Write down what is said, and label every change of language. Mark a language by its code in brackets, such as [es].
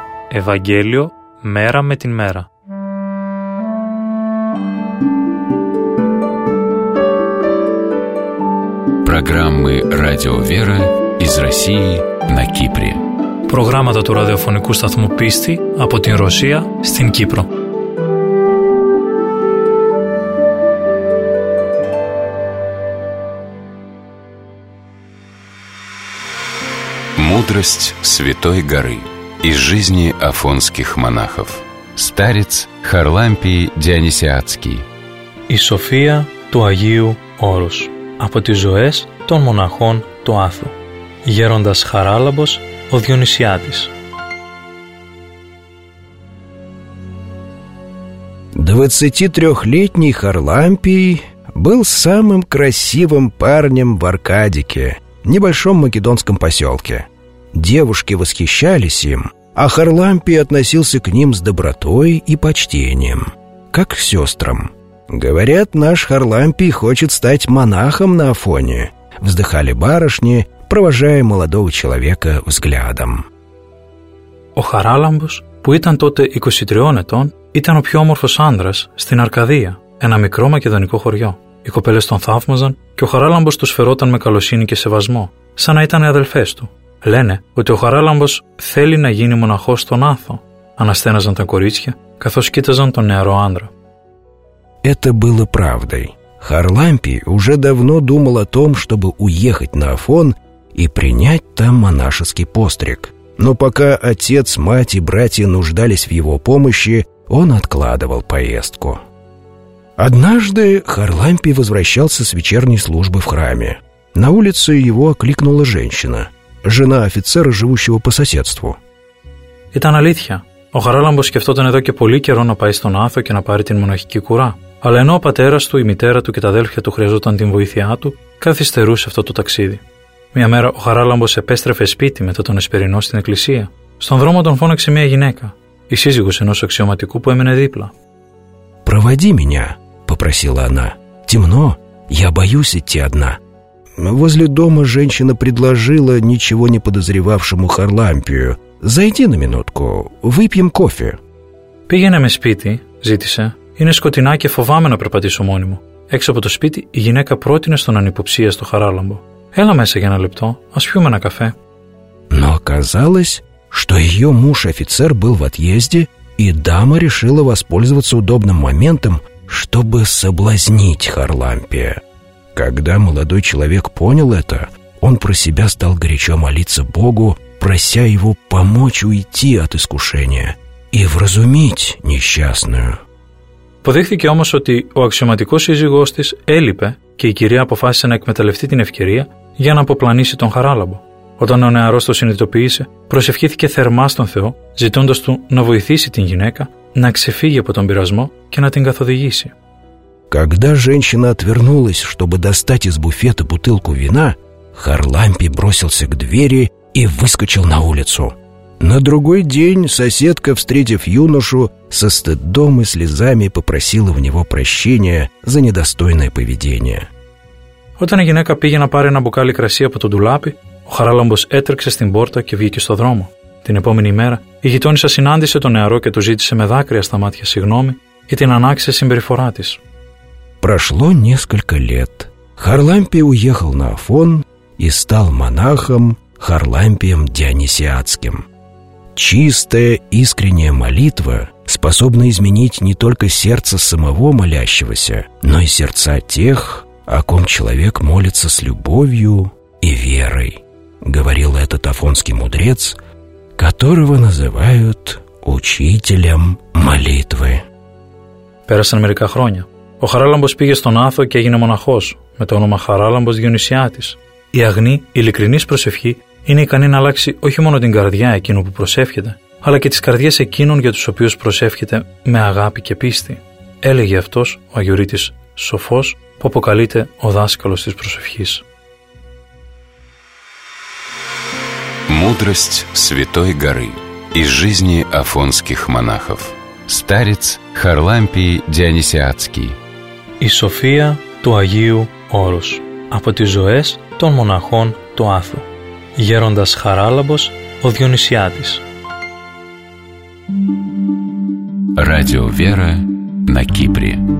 [el] Евангелие мера με την мера. [ru] Программы Радио Вера из России на Кипре. [el] Программа του ραδιοφωνικού σταθμού Πίστη από την Ρωσία στην Κύπρο. [ru] Мудрость Святой Горы из жизни афонских монахов. Старец Харлампий Дионисиадский. [el] И София του Αγίου Όρους από τις ζωές των μοναχών του Άθου. Γέροντας Χαράλαμπος ο Διονυσιάτης. [ru] Двадцатитрёхлетний Харлампий был самым красивым парнем в Аркадике, небольшом македонском посёлке. Девушки восхищались им, а Харлампий относился к ним с добротой и почтением, как к сестрам. «Говорят, наш Харлампий хочет стать монахом на Афоне», — вздыхали барышни, провожая молодого человека взглядом. [el] О Харалампус, που ήταν τότε 23 ετών, ήταν ο πιο όμορφος άντρας στην Αρκαδία, ένα μικρό μακεδονικό χωριό. Οι κοπέλες τον θαύμαζαν και ο Χαράλαμπος τους φερόταν με καλοσύνη και σεβασμό, σαν να ήταν αδελφές του. Λένε ότι ο Χαράλαμπος θέλει να γίνει μοναχός στον Άθο, αναστέναζαν τα κορίτσια, καθώς κοίταζαν τον νεαρό άντρα. [ru] Это было правдой. Харлампий уже давно думал о том, чтобы уехать на Афон и принять там монашеский постриг. Но пока отец, мать и братья нуждались в его помощи, он откладывал поездку. Однажды Харлампий возвращался с вечерней службы в храме. На улице его окликнула женщина, жена офицера, живущего по соседству. [el] «Ήταν αλήθεια. Ο Χαράλαμπος σκεφτόταν εδώ και πολύ καιρό να πάει στον Άθο και να πάρει την μοναχική κουρά. Αλλά ενώ ο πατέρας του, η μητέρα του και τα αδέλφια του χρειαζόταν την βοήθειά του, καθυστερούσε αυτό το ταξίδι. Μια μέρα ο Χαράλαμπος επέστρεφε σπίτι μετά τον Εσπερινό στην εκκλησία. Στον δρόμο τον φώναξε μια γυναίκα, η σύζυγος ενός αξιωματικού που έμενε δίπλα. [ru] «Проводи меня», — попросила она. «Темно, я боюсь идти одна». Возле дома женщина предложила ничего не подозревавшему Харлампию: «Зайди на минутку, выпьем кофе». [el] «Пигене ме спити», — ζήτησε. «Είναι σκοτεινά και φοβάμαι να περπατήσω μόνη μου». Έξω από το σπίτι η γυναίκα πρότεινε στον ανυποψίαστο Χαράλαμπο: «Έλα μέσα για ένα λεπτό, ας πιούμε ένα καφέ». [ru] Но оказалось, что ее муж офицер был в отъезде, и дама решила воспользоваться удобным моментом, чтобы соблазнить Харлампия. Когда молодой человек понял это, он про себя стал горячо молиться Богу, прося его помочь уйти от искушения и вразумить несчастную. [el] Подъехали, όμως, ότι ο αξιωματικός σύζυγός της έλειπε και η κυρία αποφάσισε να εκμεταλλευτεί την ευκαιρία για να αποπλανήσει τον Χαράλαμπο. Όταν ο νεαρός το συνειδητοποίησε, προσευχήθηκε θερμά στον Θεό, ζητώντας του να βοηθήσει την γυναίκα να ξεφύγει από τον πειρασμό και να την καθοδηγήσει. [ru] Когда женщина отвернулась, чтобы достать из буфета бутылку вина, Харлампий бросился к двери и выскочил на улицу. На другой день соседка, встретив юношу, со стыдом и слезами попросила у него прощения за недостойное поведение. [el] Όταν η γυναίκα πήγε να πάρει ένα μπουκάλι κρασί από τον ντουλάπι, ο Χαράλαμπος έτρεξε στην πόρτα και βγήκε στο δρόμο. Την επόμενη μέρα, η γειτόνισσα συνάντησε τον νεαρό και του ζήτησε με δάκρυα στα μάτια συγγνώμη για την ανάξια συμπεριφορά της. [ru] Прошло несколько лет. Харлампий уехал на Афон и стал монахом Харлампием Дионисиатским. Чистая, искренняя молитва способна изменить не только сердце самого молящегося, но и сердца тех, о ком человек молится с любовью и верой, говорил этот афонский мудрец, которого называют учителем молитвы. [el] Пересан мерика хроня. Ο Χαράλαμπος πήγε στον Άθο και έγινε μοναχός, με το όνομα Χαράλαμπος Διονυσιάτης. Η αγνή, ειλικρινής προσευχή είναι ικανή να αλλάξει όχι μόνο την καρδιά εκείνου που προσεύχεται, αλλά και τις καρδιές εκείνων για τους οποίους προσεύχεται με αγάπη και πίστη, έλεγε αυτός ο αγιορείτης σοφός που αποκαλείται ο δάσκαλος της προσευχής. [ru] Μούδρος Святой Горы из жизни афонских монахов. Старец Харлампий Дионисиатский. [el] Η σοφία του Αγίου Όρους από τις ζωές των μοναχών του Άθου. Γέροντας Χαράλαμπος, ο Διονυσιάτης. [ru] Radio Vera, na Kypri.